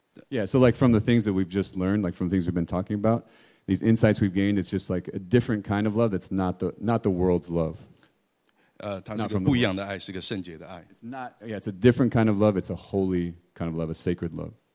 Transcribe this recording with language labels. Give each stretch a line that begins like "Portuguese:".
English: Yeah, so like from the things that we've just learned, like from things we've been talking about, these insights we've gained, it's just like a different kind of love that's not the world's love.
Chinese: 它是个不一样的爱，是个圣洁的爱。
English: It's a different kind of love. It's a holy kind of love, a sacred love.